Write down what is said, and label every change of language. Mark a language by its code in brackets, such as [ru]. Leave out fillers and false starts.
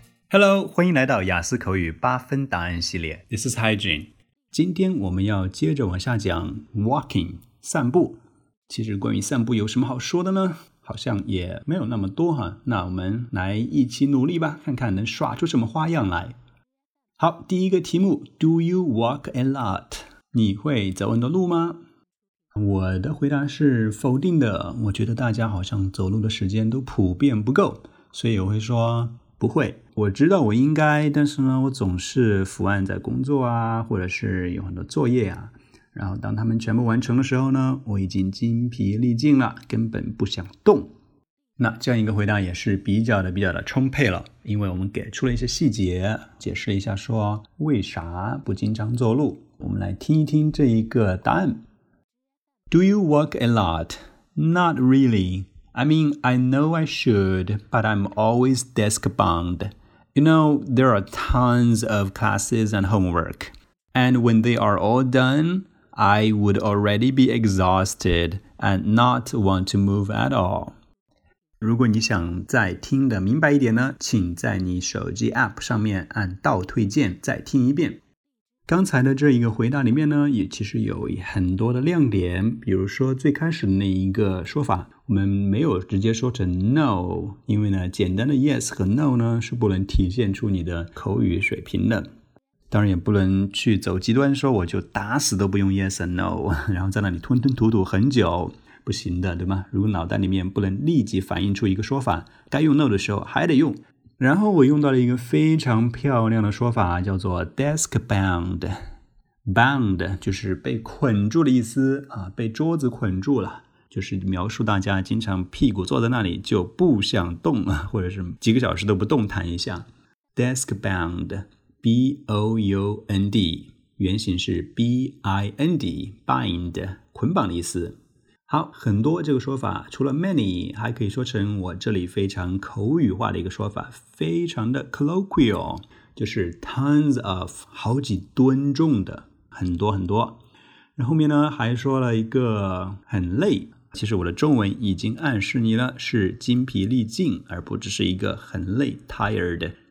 [zh] Hello， 欢迎来到雅思口语八分答案系列。 [en] This is Haijun。 [zh] 今天我们要接着往下讲 walking 散步。其实关于散步有什么好说的呢？好像也没有那么多哈。那我们来一起努力吧，看看能耍出什么花样来。好，第一个题目 [en] ，Do you walk a lot？ [zh] 你会走很多路吗？我的回答是否定的。我觉得大家好像走路的时间都普遍不够，所以我会说不会。我知道我应该，但是呢，我总是伏案在工作啊，或者是有很多作业啊。然后当他们全部完成的时候呢，我已经精疲力尽了，根本不想动。那这样一个回答也是比较的充沛了，因为我们给出了一些细节，解释一下说为啥不经常走路。我们来听一听这一个答案。 [en] Do you walk a lot? Not really. I mean, I know I should, but I'm always desk bound. You know, there are tons of classes and homework. And when they are all done, I would already be exhausted and not want to move at all. [zh] 如果你想再听得明白一点呢，请在你手机 APP 上面按倒退键再听一遍。刚才的这一个回答里面呢，也其实有很多的亮点，比如说最开始的那一个说法，我们没有直接说成 no， 因为呢，简单的 yes 和 no 呢，是不能体现出你的口语水平的。当然也不能去走极端说我就打死都不用 [en] yes and no， [zh] 然后在那里吞吞吐吐很久。不行的，对吗？如果脑袋里面不能立即反映出一个说法，该用 no 的时候还得用。然后我用到了一个非常漂亮的说法，叫做 desk bound。 bound 就是被捆住的意思啊，被桌子捆住了，就是描述大家经常屁股坐在那里就不想动，或者是几个小时都不动弹一下。 desk bound， b-o-u-n-d， 原型是 b-i-n-d， bind， 捆绑的意思。好，很多这个说法除了 many， 还可以说成我这里非常口语化的一个说法，非常的 colloquial， 就是 tons of， 好几吨重的，很多很多。然后面呢还说了一个很累，其实我的中文已经暗示你了，是精疲力尽，而不只是一个很累 tired。